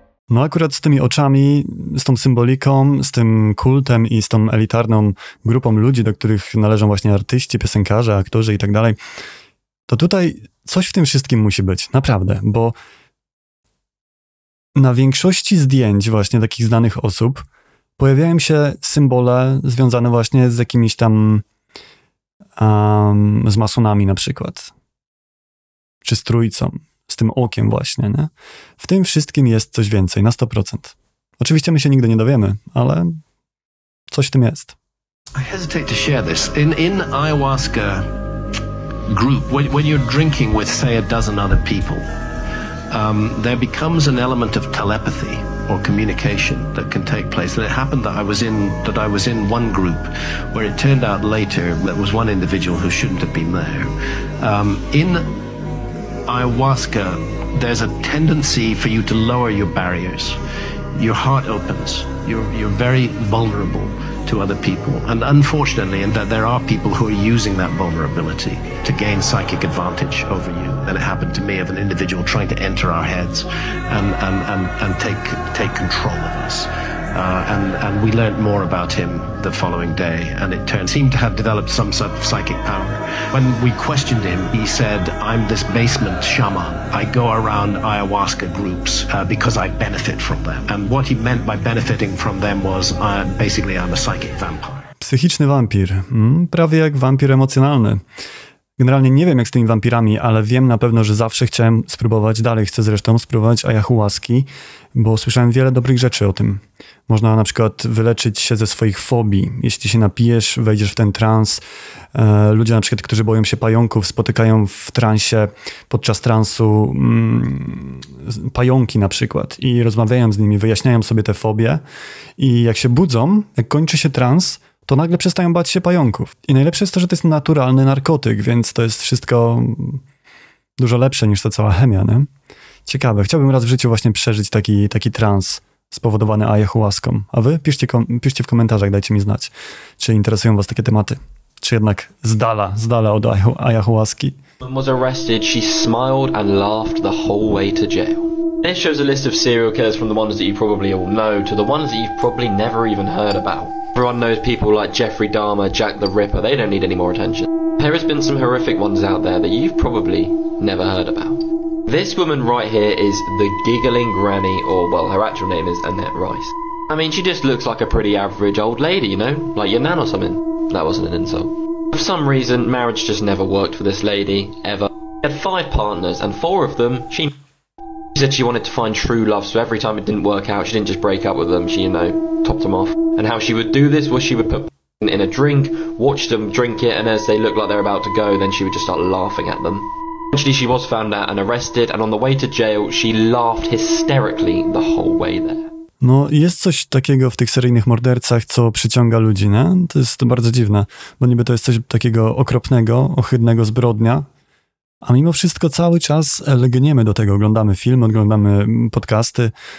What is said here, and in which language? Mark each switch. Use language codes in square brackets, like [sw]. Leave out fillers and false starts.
[pl] No akurat z tymi oczami, z tą symboliką, z tym kultem i z tą elitarną grupą ludzi, do których należą właśnie artyści, piosenkarze, aktorzy i tak dalej, to tutaj coś w tym wszystkim musi być, naprawdę, bo na większości zdjęć właśnie takich znanych osób pojawiają się symbole związane właśnie z jakimiś tam z masonami na przykład, czy z trójcą, z tym okiem właśnie, nie? W tym wszystkim jest coś więcej, na 100%. Oczywiście my się nigdy nie dowiemy, ale coś w tym jest. [en] I hesitate to share this. In ayahuasca group, when you're drinking with, say, a dozen other people, there becomes an element of telepathy or communication that can take place. And it happened that I was in one group where it turned out later that was one individual who shouldn't have been there. In ayahuasca, there's a tendency for you to lower your barriers. Your heart opens. You're very vulnerable to other people. And unfortunately, and that there are people who are using that vulnerability to gain psychic advantage over you. And it happened to me of an individual trying to enter our heads and take control of us. And we learned more about him the following day, and it turned seemed to have developed some sort of psychic power. When we questioned him, he said, "I'm this basement shaman. I go around ayahuasca groups because I benefit from them." And what he meant by benefiting from them was, basically, I'm a psychic vampire. [pl] Psychiczny wampir, prawie jak wampir emocjonalny. Generalnie nie wiem, jak z tymi wampirami, ale wiem na pewno, że zawsze chciałem spróbować, dalej chcę zresztą spróbować ayahuaski, bo słyszałem wiele dobrych rzeczy o tym. Można na przykład wyleczyć się ze swoich fobii. Jeśli się napijesz, wejdziesz w ten trans. Ludzie na przykład, którzy boją się pająków, spotykają w transie, podczas transu pająki na przykład i rozmawiają z nimi, wyjaśniają sobie te fobie i jak się budzą, jak kończy się trans, to nagle przestają bać się pająków. I najlepsze jest to, że to jest naturalny narkotyk, więc to jest wszystko dużo lepsze niż ta cała chemia, nie? Ciekawe. Chciałbym raz w życiu właśnie przeżyć taki trans spowodowany ayahuaską. A wy? Piszcie w komentarzach, dajcie mi znać, czy interesują was takie tematy. Czy jednak z dala od ayahuaski. [en] When was arrested, she smiled and laughed the whole way to jail. This shows a list of serial killers from the ones that you probably all know to the ones that you've probably never even heard about. Everyone knows people like Jeffrey Dahmer, Jack the Ripper, they don't need any more attention. There has been some horrific ones out there that you've probably never heard about. This woman right here is the Giggling Granny, or, well, her actual name is Annette Rice. I mean, she just looks like a pretty average old lady, you know? Like your nan or something. That wasn't an insult. For some reason, marriage just never worked for this lady, ever. She had five partners, and four of them, she said she wanted to find true love, so every time it didn't work out, she didn't just break up with them, she, you know, topped them off. And how she would do this was she would put in a drink, watch them drink it, and as they looked like they're about to go, then she would just start laughing at them. Eventually she was found out and arrested, and on the way to jail, she laughed hysterically the whole way there. [pl] No, jest coś takiego w tych seryjnych mordercach, co przyciąga ludzi, nie? To jest to bardzo dziwne, bo niby to jest coś takiego okropnego, ohydnego, zbrodnia, a mimo wszystko cały czas lgniemy do tego, oglądamy filmy, oglądamy podcasty.